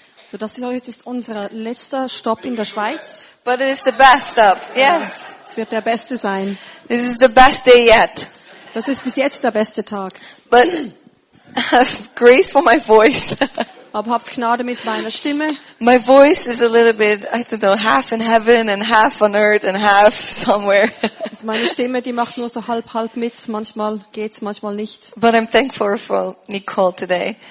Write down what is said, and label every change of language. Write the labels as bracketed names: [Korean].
[German] So das ist unser letzter Stopp in der Schweiz. [English] But it is the best stop. Yes. [German] Es wird der beste sein. [English] This is the best day yet. [German] Das ist bis jetzt der beste Tag. [English] But grace for my voice. [German] Aber habt Gnade mit meiner Stimme. [English] My voice is a little bit, I don't know, half in heaven and half on earth and half somewhere. [German] Also meine Stimme, die macht nur so halb mit. Manchmal geht's, manchmal nicht. [English] But I'm thankful for Nicole today.